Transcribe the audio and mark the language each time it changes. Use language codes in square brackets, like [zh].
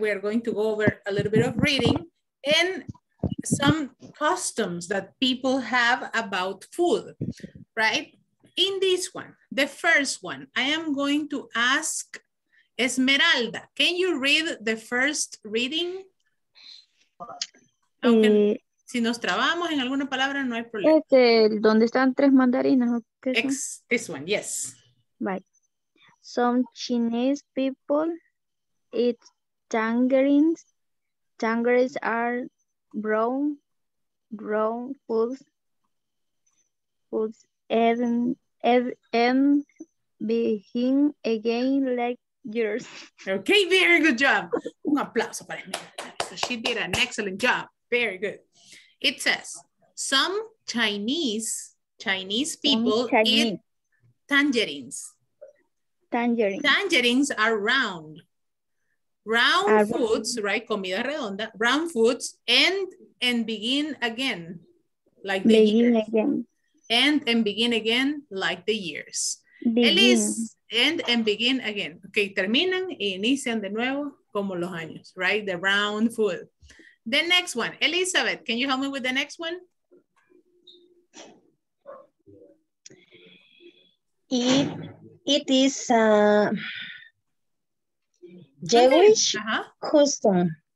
[en] We are going to go over a little bit of reading and some customs that people have about food, right? In this one, the first one, I am going to ask Esmeralda, can you read the first reading? [es] Aunque si nos trabamos en alguna palabra, no hay problema. Este, ¿dónde están tres mandarinas? [en] This one, yes. Right. Some Chinese people eat tangerines. Tangerines are brown foods and begin again like yours. Okay, very good job. [es] Un aplauso para mí. [en] She did an excellent job. Very good. It says some Chinese people eat tangerines. Tangerines are round. Round foods, right? [es] Comida redonda. [en] Round foods and begin again, like the begin years. Again. And begin again, like the years. Elise, and begin again. [es] Okay, terminan e inician de nuevo como los años, right? [en] The round food. The next one, Elizabeth, can you help me with the next one? It is Jewish custom